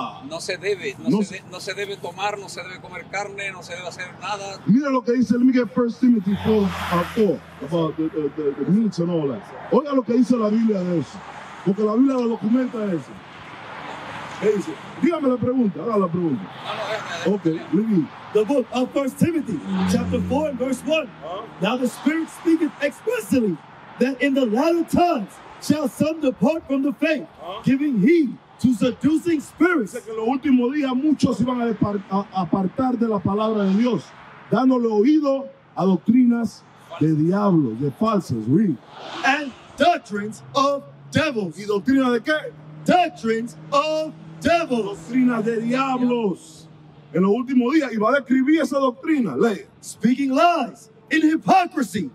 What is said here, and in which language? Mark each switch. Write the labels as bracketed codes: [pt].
[es] No se debe tomar, no se debe comer carne, no se debe hacer nada. Mira lo que dice el Miguel [en] 1 Timothy 4, about the meats and all that. [es] Oiga lo que dice la Biblia de eso, porque la Biblia lo documenta eso. ¿Qué dice? Dígame la pregunta, haga la pregunta. No, déjame. Ok, [en] Luigi. The book of 1 Timothy, chapter 4, verse 1. Huh? Now the Spirit speaketh explicitly that in the latter times, shall some depart from the faith, giving heed to seducing spirits. [es] Dice que en los últimos días muchos iban a apartar de la palabra de Dios, dándole oído a doctrinas de diablos, de falsos. [en] Read. And doctrines of devils. [es] ¿Y doctrina de qué? [en] Doctrines of devils. [es] Doctrinas de diablos. En los últimos días iba a describir esa doctrina. Lee. [en] Speaking lies in hypocrisy.